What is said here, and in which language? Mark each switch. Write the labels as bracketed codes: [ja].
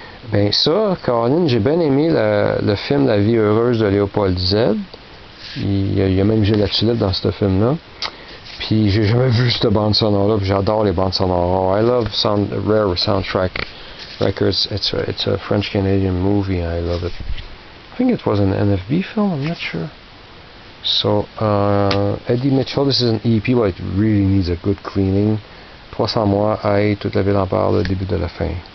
[fr] Ben ça, Caroline, j'ai bien aimé le film La vie heureuse de Léopold Z. Il y a même Gilles Latulippe dans ce film-là. Puis j'ai jamais vu cette bande sonore-là, puis j'adore les bandes sonores. [en] Oh, I love sound, rare soundtrack records. It's a French-Canadian movie, I love it. I think it was an NFB film, I'm not sure. So, Eddie Mitchell, this is an EP, but it really needs a good cleaning. [fr] 300 mois, I, toute la ville en parle, le début de la fin.